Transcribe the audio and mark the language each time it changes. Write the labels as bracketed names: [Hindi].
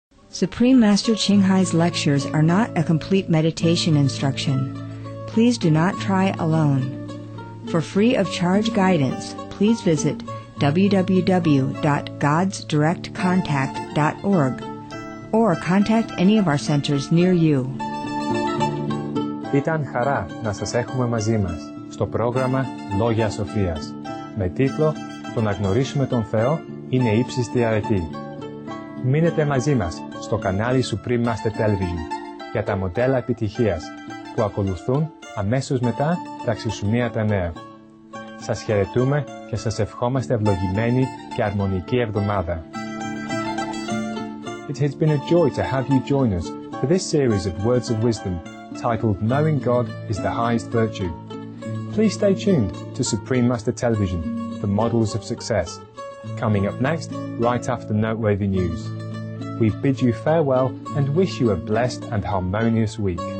[English] Supreme Master Qinghai's lectures are not a complete meditation instruction. Please do not try alone. For free of charge guidance, please visit www.godsdirectcontact.org or contact any of our centers near you. [Greek] Ήταν χαρά να σας έχουμε μαζί μας στο πρόγραμμα Λόγια Σοφίας. Με τίτλο «Το να γνωρίσουμε τον Θεό είναι ύψιστη αρετή». Μείνετε μαζί μας στο κανάλι Supreme Master Television για τα μοντέλα επιτυχίας που ακολουθούν αμέσως μετά τα Ξησουμία τα Νέα. Σας χαιρετούμε και σας ευχόμαστε ευλογημένη και αρμονική εβδομάδα. [English] It has been a joy to have you join us for this series of Words of Wisdom titled Knowing God is the Highest Virtue. Please stay tuned to Supreme Master Television for Models of Success. Coming up next, right after Noteworthy News. We bid you farewell and wish you a blessed and harmonious week.